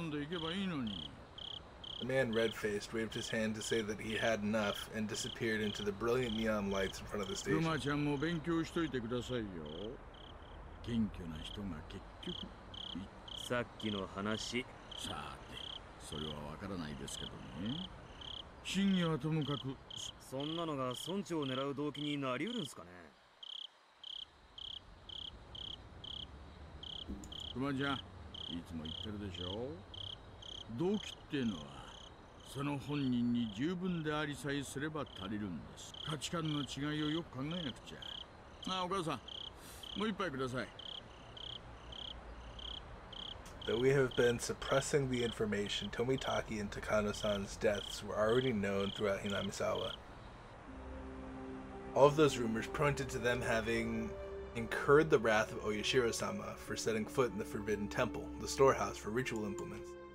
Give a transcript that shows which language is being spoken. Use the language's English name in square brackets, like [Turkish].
[English] The man, red-faced, waved his hand to say that he had enough and disappeared into the brilliant neon lights in front of the station. [Japanese] そんなのが村長を狙う動機になり得るんすかね。熊ちゃん、いつも言ってるでしょ。動機ってのはその本人に十分でありさえすれば足りるんです。価値観の違いをよく考えなくちゃ。あ、お母さん、もう一杯ください。 [English] that we have been suppressing the information Tomitake and Takano-san's deaths were already known throughout Hinamizawa. All of those rumors pointed to them having incurred the wrath of Oyashiro-sama for setting foot in the Forbidden Temple, the storehouse for ritual implements.